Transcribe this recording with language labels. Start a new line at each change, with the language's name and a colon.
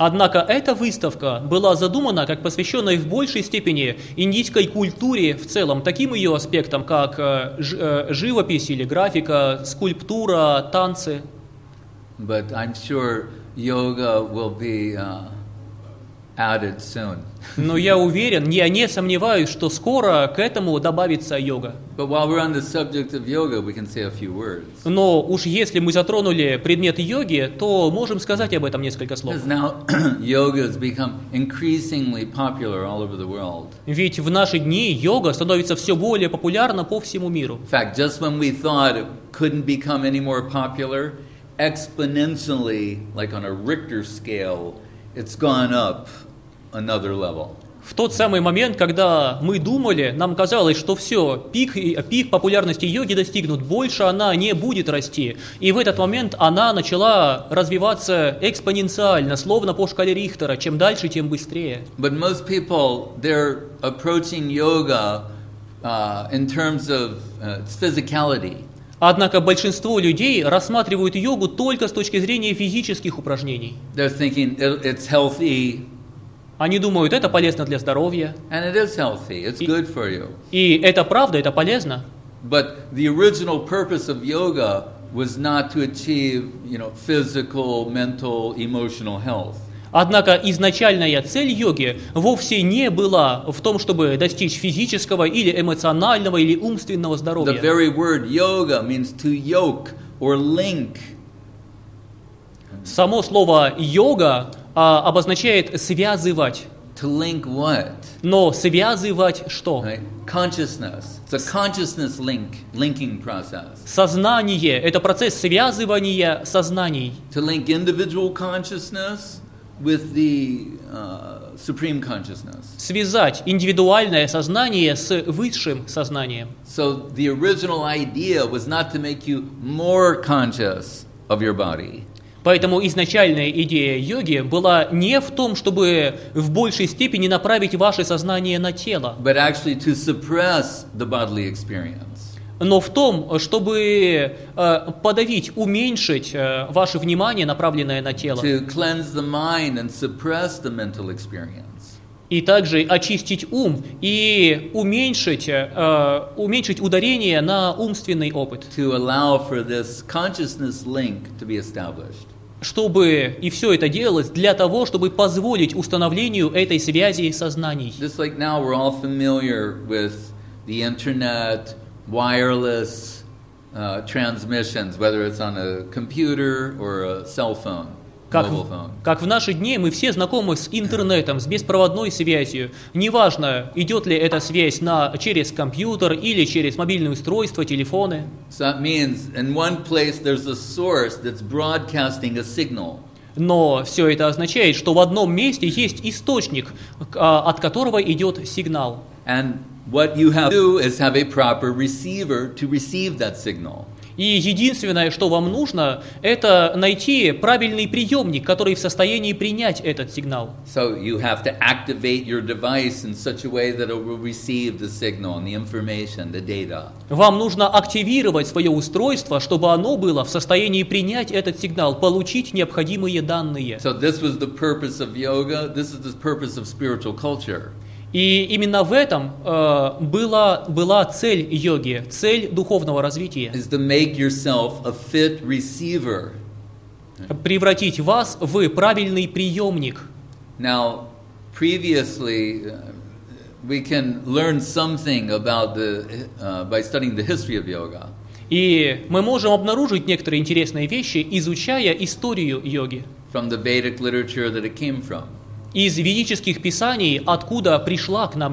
Russian: Однако эта выставка была задумана как посвященная в большей степени индийской культуре в целом, таким ее аспектам, как живопись или графика, скульптура, танцы.
English: But I'm sure yoga will be added soon.
Russian: Но я уверен, я не сомневаюсь, что скоро к этому добавится йога.
English: But while we're on the subject of yoga, we can say a few words.
Russian: Но уж если мы затронули предмет йоги, то можем сказать об этом несколько слов.
English: Because now yoga has become increasingly popular all over the world.
Russian: Ведь в наши дни йога становится все более популярна по всему миру.
English: In fact, just when we thought it couldn't become any more popular, exponentially, like on a Richter scale, it's gone up another level.
Russian: В тот самый момент, когда мы думали, нам казалось, что все, пик популярности йоги достигнут, больше она не будет расти. И в этот момент она начала развиваться экспоненциально, словно по шкале Рихтера, чем дальше, тем быстрее.
English: But most people, they're approaching yoga in terms of its physicality.
Russian: Однако большинство людей рассматривают йогу только с точки зрения физических упражнений.
English: They're thinking it's healthy.
Russian: Они думают, это полезно для здоровья.
English: And it is healthy. It's good for you.
Russian: И это правда, это полезно.
English: But the original purpose of yoga was not to achieve, you know, physical, mental, emotional health.
Russian: Однако изначальная цель йоги вовсе не была в том, чтобы достичь физического или эмоционального или умственного здоровья.
English: The very word yoga means to yoke or link.
Russian: Само слово йога обозначает связывать.
English: To link what?
Russian: Но связывать что?
English: Right? Consciousness. It's a consciousness link, linking process.
Russian: Сознание – это процесс связывания сознаний.
English: To link individual consciousness with the supreme consciousness.
Russian: Связать индивидуальное сознание с высшим сознанием.
English: So the original idea was not to make you more conscious of your body.
Russian: Поэтому изначальная идея йоги была не в том, чтобы в большей степени направить ваше сознание на тело.
English: But actually to suppress the bodily experience.
Russian: Но в том, чтобы подавить, уменьшить ваше внимание, направленное на тело.
English: To cleanse the mind and suppress the mental experience.
Russian: И также очистить ум и уменьшить ударение на умственный опыт.
English: To allow for this consciousness link to be established.
Russian: Чтобы и все это делалось для того, чтобы позволить установлению этой связи сознаний.
English: Just like now we're all familiar with the internet, wireless transmissions, whether it's on a computer or a cell phone, mobile phone.
Russian: Как в наши дни мы все знакомы с интернетом, с беспроводной связью. Неважно, идет ли эта связь через компьютер или через мобильное устройство, телефоны.
English: So that means in one place there's a source that's broadcasting a signal.
Russian: Но все это означает, что в одном месте есть источник, от которого идет сигнал.
English: And what you have to do is have a proper receiver to receive that signal.
Russian: И единственное, что вам нужно, это найти правильный приемник, который в состоянии принять этот сигнал.
English: So you have to activate your device in such a way that it will receive the signal, the information, the data.
Russian: Вам нужно активировать свое устройство, чтобы оно было в состоянии принять этот сигнал, получить необходимые данные.
English: So this was the purpose of yoga. This is the purpose of spiritual culture.
Russian: И именно в этом была цель йоги, цель духовного развития.
English: Is to make yourself a fit receiver.
Russian: Превратить вас в правильный приемник.
English: Now, previously, we can learn something about the by studying the history of yoga.
Russian: И мы можем обнаружить некоторые интересные вещи, изучая историю йоги.
English: From the Vedic literature that it came from.
Russian: Из ведических писаний, откуда пришла к нам